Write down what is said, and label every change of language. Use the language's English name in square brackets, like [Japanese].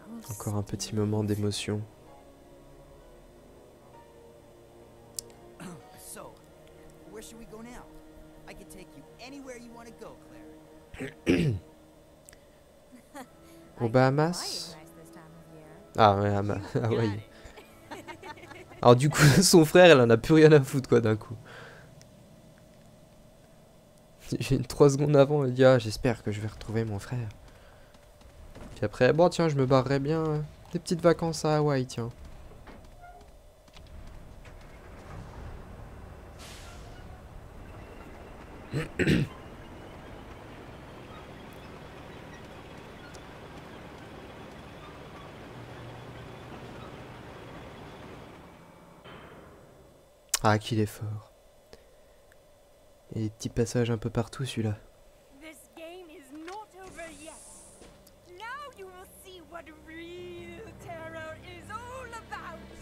[French] Encore un petit moment d'émotion. [English] So, where should we go now? I can take you anywhere you want to go, Claire. [French] Au Bahamas? Ah ouais, Hawaii. Alors du coup, son frère, elle en a plus rien à foutre quoi d'un coup. J'ai une 3 secondes avant, elle dit ah, j'espère que je vais retrouver mon frère. Puis après, bon tiens, je me barrerai bien. Des petites vacances à Hawaï, tiens. Ah, qu'il est fort. Et des petits passages un peu partout, celui-là. [English] This game is not over yet. Now you will see what real terror is all about.